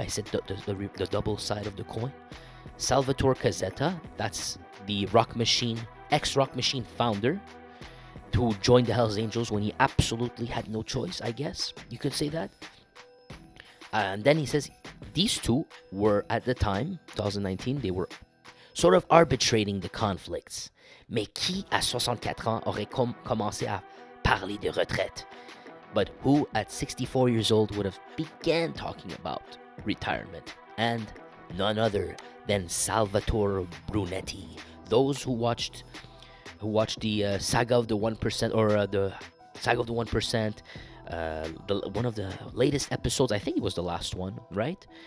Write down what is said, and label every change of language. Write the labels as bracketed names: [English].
[English] I said the double side of the coin. Salvatore Cazzetta, that's the Rock Machine, ex-Rock Machine founder, who joined the Hells Angels when he absolutely had no choice, I guess. You could say that. And then he says, these two were, at the time, 2019, they were sort of arbitrating the conflicts. [French] Mais qui, à 64 ans, aurait commencé à parler de retraite? [English] But who, at 64 years old, would have began talking about retirement? And none other than Salvatore Brunetti. Those who watched the Saga of the 1%, or the Saga of the 1%, one of the latest episodes, I think it was the last one, right?